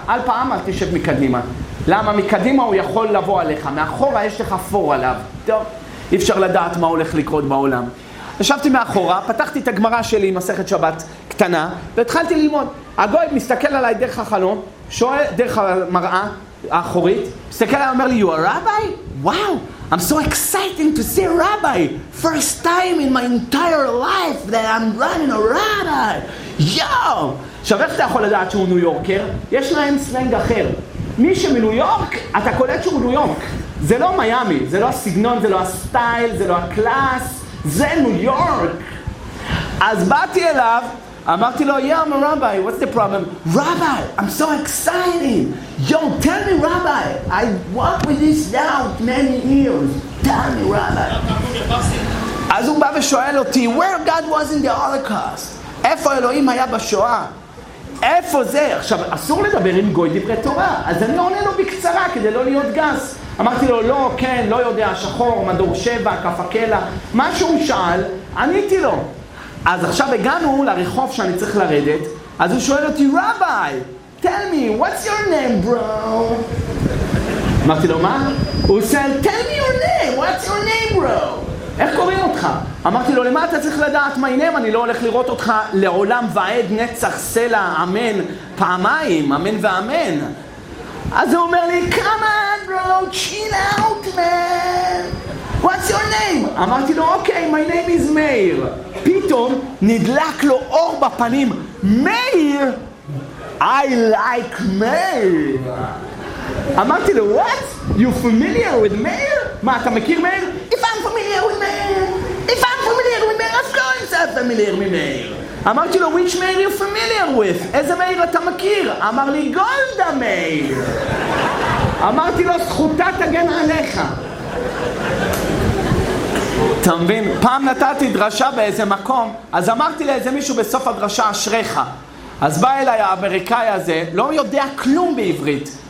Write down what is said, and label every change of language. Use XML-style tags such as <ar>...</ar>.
<he>על פעם אל תשב מקדימה. למה? מקדימה הוא יכול לבוא עליך, מאחורה יש לך פור עליו. טוב, אי אפשר לדעת מה הולך לקרות בעולם. ישבתי מאחורה, פתחתי את הגמרה שלי עם מסכת שבת קטנה, והתחלתי ללמוד. הגוי מסתכל עליי דרך החלון, שואל דרך המראה האחורית, מסתכל עליי, אומר לי,</he> <en>you are rabbi? Wow! I'm so excited to see a rabbi. First time in my entire life that I'm running a rabbi. Yo!</en> <he>עכשיו, איך אתה יכול לדעת שהוא ניו יורקר? יש להם סלנג אחר. מי שמניו יורק, אתה קולט שהוא ניו יורק. זה לא מיאמי, זה לא הסגנון, זה לא הסטייל, זה לא הקלאס. זה ניו יורק. אז באתי אליו, אמרתי לו,</he> <en>yeah, I'm a rabbi, what's the problem? Rabbi, I'm so excited. Yo, tell me, rabbi, I walk with this doubt many years. Tell me, rabbi.</en> <he>אז הוא בא ושואל אותי,</he> <en>where God was in the Holocaust?</en> <he>איפה אלוהים היה בשואה? איפה זה? עכשיו, אסור לדבר עם גוי דברי תורה. אז אני עונה לו בקצרה כדי לא להיות גס. אמרתי לו, לא, כן, לא יודע, שחור, מדור 7, כפקלה. מה שהוא שאל, עניתי לו. אז עכשיו הגענו לרחוב שאני צריך לרדת, אז הוא שואל אותי, רבי,</he> <en>tell me, what's your name, bro?</en> <he>אמרתי לו, מה? הוא שואל,</he> <en>tell me your name, what's your name, bro?</en> <he>איך קוראים אותך? אמרתי לו, למה אתה צריך לדעת מה הנה? אני לא הולך לראות אותך לעולם ועד נצח סלע, אמן, פעמיים, אמן ואמן. אז הוא אומר לי,</he> <en>come on, bro, chill out, man. What's your name?</en> <he>אמרתי לו,</he> <en>okay, my name is Meir.</en> <he>פתאום נדלק לו אור בפנים, Meir,</he> <en>I like Meir.</en> <he>אמרתי לו,</he> <en>what? You familiar with Meir?</en> <he>מה, אתה מכיר Meir?</he> <en>If I'm familiar with Meir, if I'm familiar with Meir, of course I'm familiar with Meir.</en> <he>אמרתי לו,</he> <en>which Meir you familiar with?</en> <he>איזה Meir אתה מכיר? אמר לי, גולדה Meir. אמרתי לו, זכותה תגן עליך. אתה מבין? פעם נתתי דרשה באיזה מקום, אז אמרתי לאיזה מישהו בסוף הדרשה אשריך. אז בא אליי האמריקאי הזה, לא יודע כלום בעברית.</he>